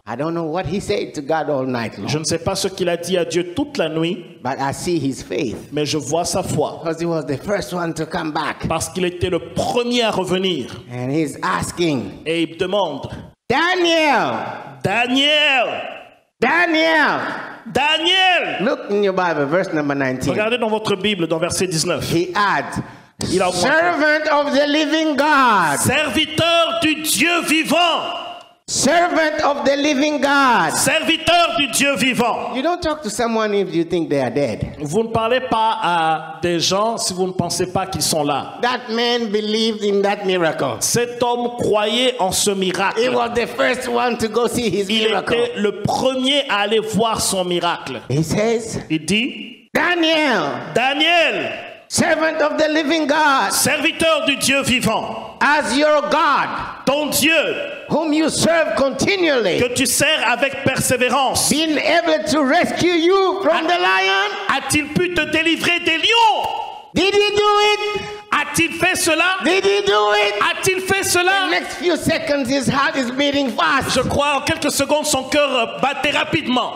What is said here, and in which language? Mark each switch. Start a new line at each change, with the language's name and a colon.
English: I don't know what he said to God all night long.
French: Je ne sais pas ce qu'il a dit à Dieu toute la nuit.
English: But I see his faith.
French: Mais je vois sa foi.
English: Because he was the first one to come back.
French: Parce qu'il était le premier à revenir.
English: And he's asking.
French: Et il demande.
English: Daniel.
French: Daniel.
English: Daniel.
French: Daniel.
English: Look in your Bible, verse number 19.
French: Regardez dans votre Bible, dans verset 19.
English: He adds, servant of the living God.
French: Serviteur du Dieu vivant.
English: Servant of the living God.
French: Serviteur du Dieu vivant.
English: You don't talk to someone if you think they are dead.
French: Vous ne parlez pas à des gens si vous ne pensez pas qu'ils sont là.
English: That man believed in that miracle.
French: Cet homme croyait en ce miracle.
English: He was the first one to go see his
French: Il
English: miracle.
French: Était le premier à aller voir son miracle.
English: He says,
French: Il dit,
English: Daniel.
French: Daniel.
English: Servant of the living God.
French: Serviteur du Dieu vivant.
English: As your God.
French: Ton Dieu.
English: Whom you serve continually.
French: Que tu sers avec persévérance.
English: Being able to rescue you from the lion.
French: A-t-il pu te délivrer des lions?
English: Did he do it?
French: A-t-il fait cela?
English: Did he do it?
French: A-t-il fait cela?
English: The next few seconds his heart is beating fast.
French: Je crois en quelques secondes son cœur battait rapidement.